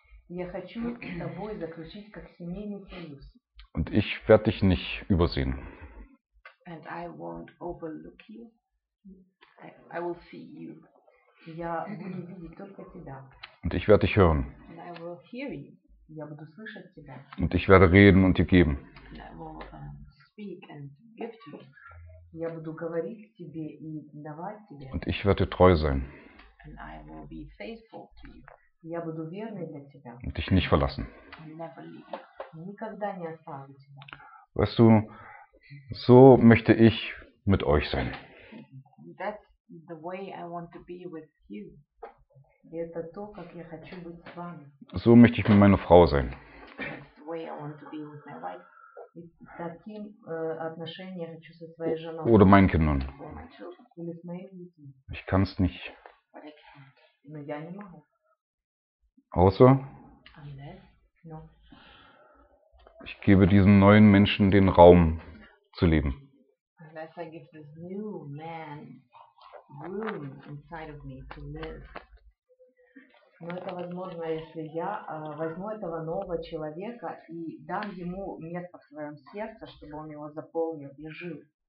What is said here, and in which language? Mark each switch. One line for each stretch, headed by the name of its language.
Russian: Я хочу с тобой заключить как семейный союз.
German: Und ich werde dich nicht übersehen.
English: And I won't overlook you. I will see you.
Russian: Я буду видеть только тебя.
German: Und ich werde dich hören.
English: And I will hear you.
Russian: Я буду слышать тебя.
German: Und ich werde reden und dir geben.
English: And I will speak and give to you.
Russian: Я буду говорить тебе и давать тебе.
German: Und ich werde treu sein.
English: And I will be faithful to you.
Russian: Я буду верный для тебя.
German: Und dich nicht verlassen.
Russian: Никогда не оставлю тебя.
German: Weißt du, so möchte ich mit euch sein.
English: That's the way I want to be with you.
Russian: Это то, как я хочу быть с вами.
German: So möchte ich mit meiner Frau sein.
English: That's the way I want to be with my wife.
Russian: И таким отношением хочу со своей женой.
German: Oder meinen Kindern.
Russian: Или с моими детьми.
German: Ich kann es nicht.
English: But I can't.
Russian: Но я не могу.
German: Außer,
English: no.
German: Ich gebe diesem neuen Menschen den Raum zu leben.
English: Unless I give this new man room inside of me to live.
Russian: Но это возможно, если я возьму этого нового человека и дам ему место в своем сердце, чтобы он его заполнил и жил.